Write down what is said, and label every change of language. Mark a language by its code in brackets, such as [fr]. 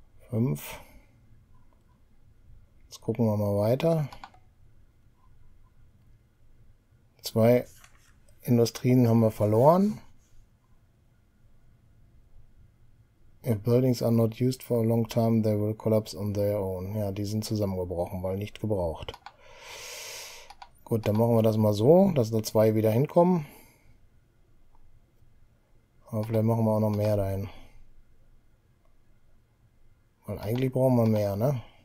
[de] Fünf. Jetzt gucken wir mal weiter. Zwei Industrien haben wir verloren. [en] If buildings are not used for a long time, they will collapse on their own. [de] Ja, die sind zusammengebrochen, weil nicht gebraucht. Gut, dann machen wir das mal so, dass da zwei wieder hinkommen. Aber vielleicht machen wir auch noch mehr dahin. Weil eigentlich brauchen wir mehr, ne?